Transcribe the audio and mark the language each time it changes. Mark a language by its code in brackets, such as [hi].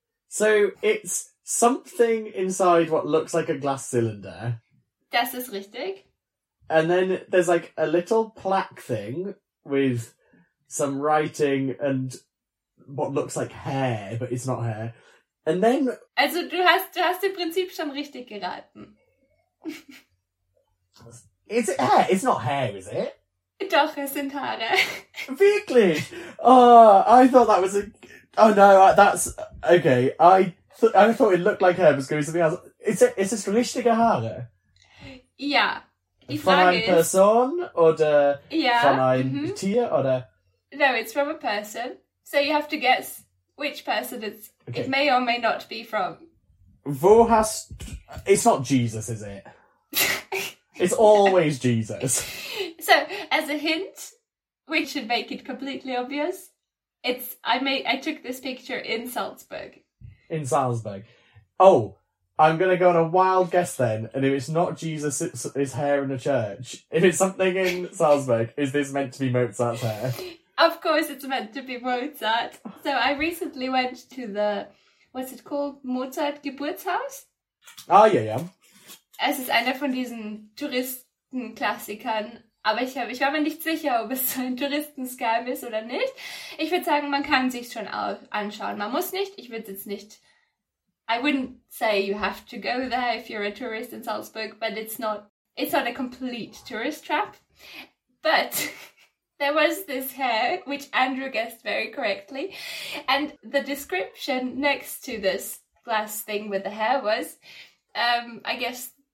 [en] So, it's something inside what looks like a glass cylinder. [de] Das ist richtig. [en] And then there's, like, a little plaque thing with some writing and what looks like hair, but it's not hair. And then... [de] Also, du hast im Prinzip schon richtig geraten. [en] Is it hair? It's not hair, is it? [de] Doch, es sind Haare. Wirklich? [en] Oh, I thought that was a... Oh, no, that's... Okay, I thought it looked like hair, but it's going to be something else. [de] Is es richtige Haare? Ja. Die Frage von einer Person oder ja, von einem Tier oder... [en] No, it's from a person. So you have to guess which person it's... Okay. It may or may not be from. [de] Wo hast... [en] It's not Jesus, is it? It's always Jesus. So, as a hint, which should make it completely obvious, it's I took this picture in Salzburg. In Salzburg. Oh, I'm going to go on a wild guess then, and if it's not Jesus, it's his hair in a church. If it's something in Salzburg, is this meant to be Mozart's hair? Of course it's meant to be Mozart. So I recently went to the, what's it called, Mozart Geburtshaus? Ah, yeah, yeah. [de] Es ist einer von diesen Touristenklassikern, aber ich war mir nicht sicher, ob es so ein Touristenscam ist oder nicht. Ich würde sagen, man kann sich schon anschauen. Man muss nicht. Ich würde jetzt nicht. [en] I wouldn't say you have to go there if you're a tourist in Salzburg, but it's not a complete tourist trap. But there was this hair, which Andrew guessed very correctly, and the description next to this glass thing with the hair was, I guess.